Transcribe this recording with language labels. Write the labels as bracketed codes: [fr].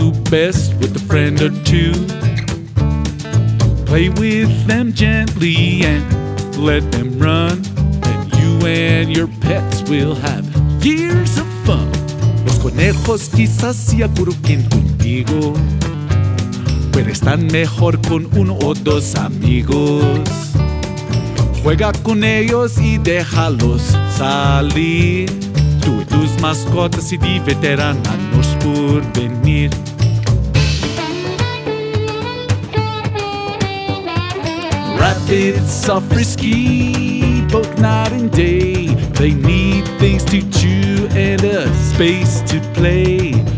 [en] best with a friend or two. Play with them gently and let them run, and you and your pets will have years of fun. [es] Los conejos quizás se agrupen contigo, pero están mejor con uno o dos amigos. Juega con ellos y déjalos salir. Tú y tus mascotas se divertirán años por venir. [en] Rabbits are frisky, both night and day. They need things to chew and a space to play.